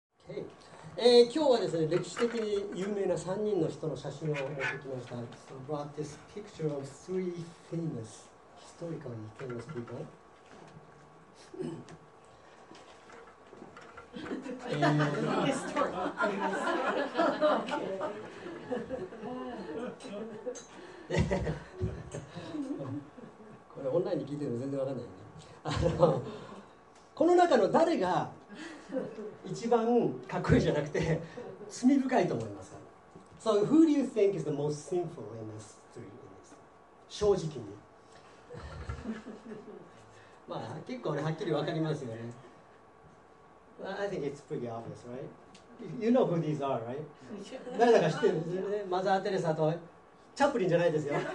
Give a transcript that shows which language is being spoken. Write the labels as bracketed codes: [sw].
[ja] 今日はですね、歴史的に有名な3人の人の写真を持ってきました。 [en] So, brought this picture of three famous, historically famous people. [ja] これオンラインに聞いても全然わかんないね。この中の誰が一番かっこいいじゃなくて罪深いと思いますか？ [en] So who do you think is the most sinful in this three? [ja] 正直に。まあ結構ね、はっきりわかりますよね。 [en] Well, I think it's pretty obvious, right? You know who these are, right? [ja] 誰だか知ってるんですよね。マザー・テレサとチャップリンじゃないですよ。